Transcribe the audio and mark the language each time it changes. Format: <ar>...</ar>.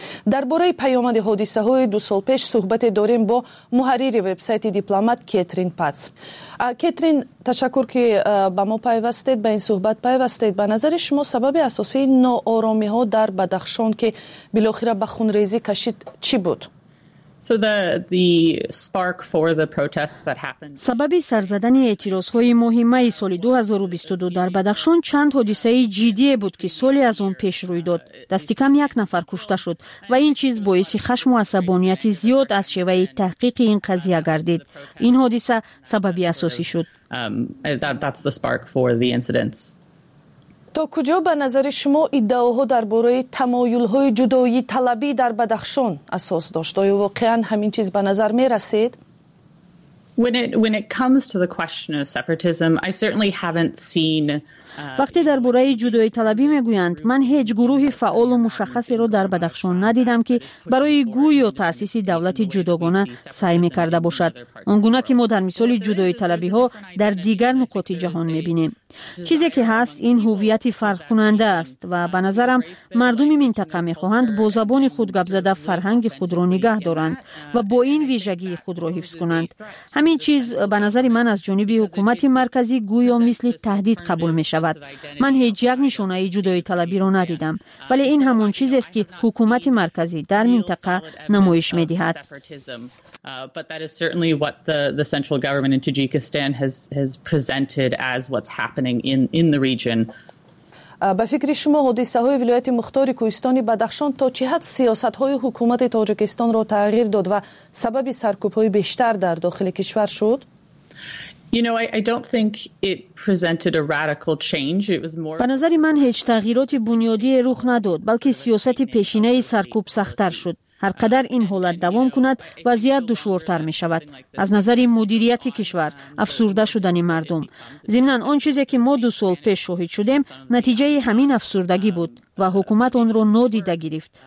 <fa>درباره پیامد حادثه های دو سال پیش صحبت داریم با محرر وبسایت دیپلمات کترین پاتس. کترین، تشکر که با ما پیوستید، با این صحبت پیوستید. به نظر شما سبب اساسی ناآرامی ها در بدخشان که بالاخره به خونریزی کشید چی بود؟</fa> <en>So the spark for the protests that happened.</en> <fa>سببی سرزدن اعتراض‌های مهمه سال 2022 در بدخشان چند حادثه جدی بود که سالی از آن پیش روی داد. دستکم یک نفر کشته شد و این چیز باعث خشم و عصبانیت زیاد از شیوه تحقیق این قضیه گردید. این حادثه سببی اساسی شد.</fa> <en>That's the spark for the incidents.</en> <fa>تا کجا به نظر شما ادعاها درباره تمایل‌های جدایی طلبی در بدخشان اساس داشت؟ آیا واقعا همین چیز به نظر می‌رسید؟</fa> <en>When it comes to the question of separatism, I certainly haven't seen</en> <fa>وقتی درباره جدایی طلبی میگویند من هیچ گروه فعال و مشخصی را در بدخشان ندیدم که برای گوی و تاسیس دولت جداگانه سعی میکرده باشد، آنگونه که ما در مثال جدایی طلبی ها در دیگر نقاط جهان میبینیم. چیزی که هست این هویت فرق کننده است و به نظرم مردم منطقه میخواهند با زبان خود گپ زده فرهنگ خود را نگه دارند و با این ویژگی خود را حفظ کنند. همین چیز به نظر من از جانب حکومت مرکزی گویا مثل تهدید قبول می شود. من هیچ یک نشانه جدایی طلبی را ندیدم، ولی این همون چیز است که حکومت مرکزی در منطقه نمایش می دهد.</fa> <en>But that is certainly what the central government in Tajikistan has presented as what's happening in the region.</en> <fa>به فکر شما حادثه های ولایت مختار کوهستان بدخشان تا چه حد سیاست های حکومت تاجیکستان را تغییر داد و سبب سرکوب های بیشتر در داخل کشور شد؟</fa> <en>I don't think it presented a radical change. It was more</en> <fa>به نظر من هیچ تغییرات بنیادی رخ نداد، بلکه سیاست پیشینه سرکوب سخت‌تر شد. هر قدر این حالت دوام کند وضعیت دشوارتر می شود. از نظر مدیریت کشور افسرده شدن مردم. ضمن آن چیزی که ما دو سال پیش شاهد شدیم نتیجه همین افسردگی بود و حکومت آن را نادیده گرفت.</fa>